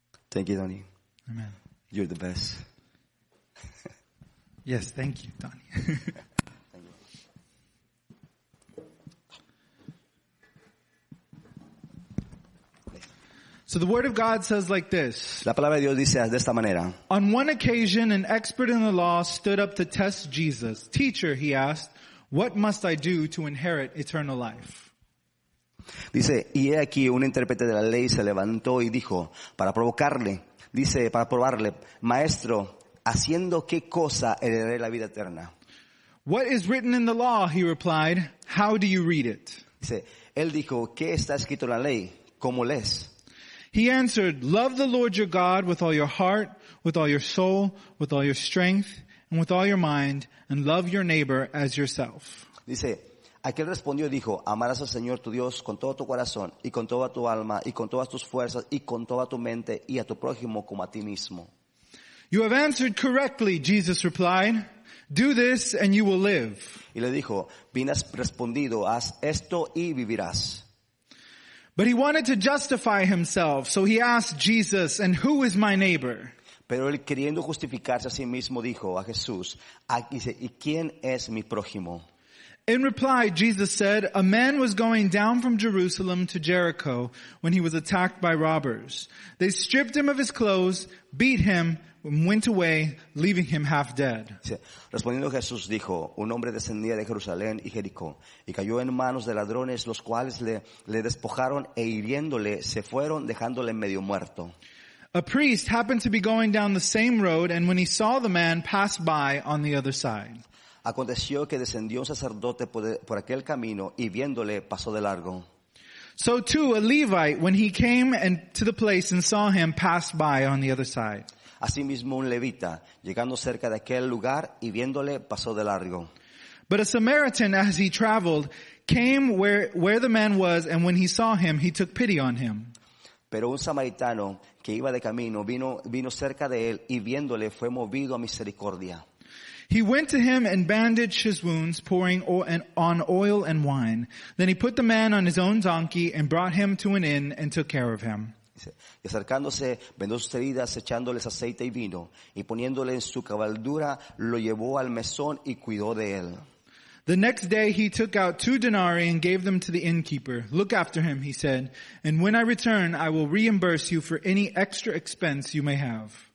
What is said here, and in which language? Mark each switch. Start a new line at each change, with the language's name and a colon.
English: Thank you, Donnie. Amen. You're the best. Yes, thank you, Donnie. Thank you. So the Word of God says like this.
Spanish: La palabra de Dios dice de esta manera.
English: On one occasion, an expert in the law stood up to test Jesus. Teacher, he asked, what must I do to inherit eternal life?
Spanish: Dice, y he aquí un intérprete de la ley se levantó y dijo, para probarle, maestro, ¿haciendo qué cosa heredaré la vida eterna?
English: What is written in the law, he replied, How do you read it?
Spanish: Dice, él dijo, ¿qué está escrito en la ley? ¿Cómo lees?
English: He answered, love the Lord your God with all your heart, with all your soul, with all your strength, and with all your mind, and love your neighbor as yourself.
Spanish: Dice, aquel respondió y dijo, amarás al Señor tu Dios con todo tu corazón, y con toda tu alma, y con todas tus fuerzas, y con toda tu mente, y a tu prójimo como a ti mismo.
English: You have answered correctly, Jesus replied. Do this and you will live.
Spanish: Y le dijo, bien has respondido, haz esto y vivirás.
English: But he wanted to justify himself, so he asked Jesus, and who is my neighbor?
Spanish: Pero él queriendo justificarse a sí mismo dijo a Jesús, dice, ¿y quién es mi prójimo?
English: In reply, Jesus said, a man was going down from Jerusalem to Jericho when he was attacked by robbers. They stripped him of his clothes, beat him, and went away, leaving him half dead.
Spanish: Respondiendo Jesús dijo, un hombre descendía de Jerusalén y Jericó, y cayó en manos de ladrones, los cuales le despojaron e hiriéndole, se fueron dejándole medio muerto.
English: A priest happened to be going down the same road, and when he saw the man, passed by on the other side.
Spanish: Aconteció que descendió un sacerdote por aquel camino y viéndole pasó de largo.
English: So too a Levite, when he came and to the place and saw him, passed by on the other side.
Spanish: Asimismo un levita, llegando cerca de aquel lugar y viéndole pasó de largo.
English: But a Samaritan, as he traveled, came where the man was, and when he saw him, he took pity on him.
Spanish: Pero un samaritano que iba de camino vino cerca de él y viéndole fue movido a misericordia.
English: He went to him and bandaged his wounds, pouring on oil and wine. Then he put the man on his own donkey and brought him to an inn and took care of him.
Spanish: Y acercándose, vendó sus heridas, echándoles aceite y vino, y poniéndole en su cabalgadura, lo llevó al mesón y cuidó de él.
English: The next day he took out 2 denarii and gave them to the innkeeper. Look after him, he said, and when I return, I will reimburse you for any extra expense you may have.